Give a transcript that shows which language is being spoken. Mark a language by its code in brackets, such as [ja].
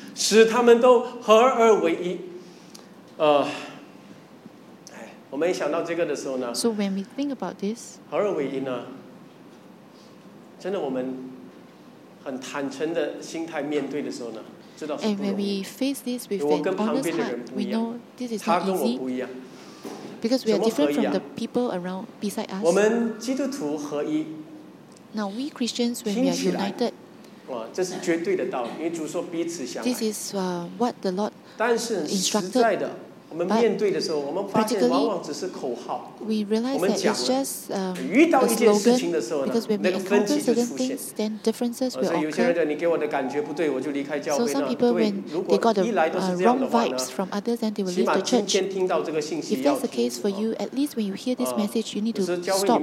[zh] 使他们都合而为一, 我们一想到这个的时候呢, [en] so when we think about this, [zh] 合而为一呢, 真的我们 很坦诚的心态面对的时候呢, 知道是不容易, [en] and when we face this with an honest heart, we know this is not easy. Because we are different from the people around beside us. [zh] 我们基督徒合一, [en] now we Christians, when [zh] 听起来, [en] we are united, [zh] 哇, 这是绝对的道理, 因为主说彼此相爱, [en] this is what the Lord [zh] 但是很实在的, [en] instructed. [zh] 我们面对的时候, 我们发现往往只是口号, [en] we realize that it's just a slogan, because when we encounter certain things, then differences will occur. [zh] 有些人的你给我的感觉不对, 我就离开教会呢, [en] so some people, when they got the wrong vibes from others, then they will leave the church. If that's the case for you, at least when you hear this message, you need to stop.